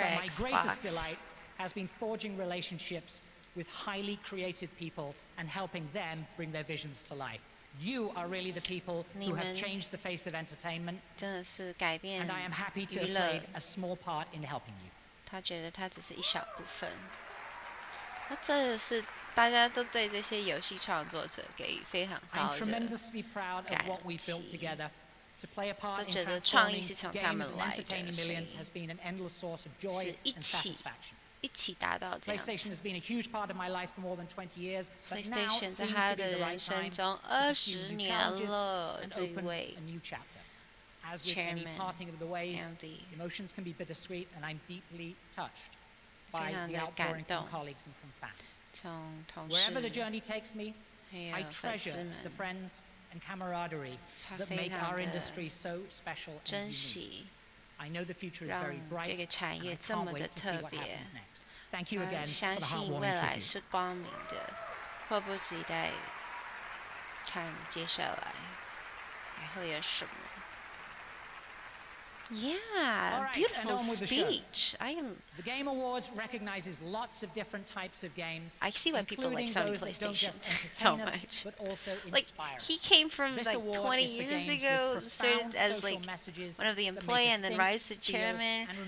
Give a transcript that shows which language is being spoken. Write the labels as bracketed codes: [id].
[en] Xbox. My greatest delight has been forging relationships with highly creative people and helping them bring their visions to life. You are really the people who have changed the face of entertainment. [zh] 真的是改变娱乐。 [en] And I am happy to have played a small part in helping you. [zh] 他觉得他只是一小部分。那真的是大家都对这些游戏创作者给予非常高的感激。 [en] I'm tremendously proud of what we've built together. To play a part in transforming games and entertaining millions has been an endless source of joy and satisfaction. [zh] 一起达到这样。 [en] PlayStation has been a huge part of my life for more than 20 years, but now seems to be the right time to pursue new challenges and open a new chapter. As with any parting of the ways, emotions can be bittersweet, and I'm deeply touched by the outpouring from colleagues and from fans. Wherever the journey takes me, I treasure the friends and camaraderie that make our industry so special and unique. I know the future is very bright, and I can't wait to see what happens next. Thank you again for the heartwarming tribute. [zh] 未来是光明的，迫不及待看接下来还会有什么。 [en] Yeah, beautiful speech. I am. The Game Awards recognizes lots of different types of games. I see why people like Sony PlayStation so much. But also like, he came from like 20 years ago, started as like one of the employees and then rise to chairman.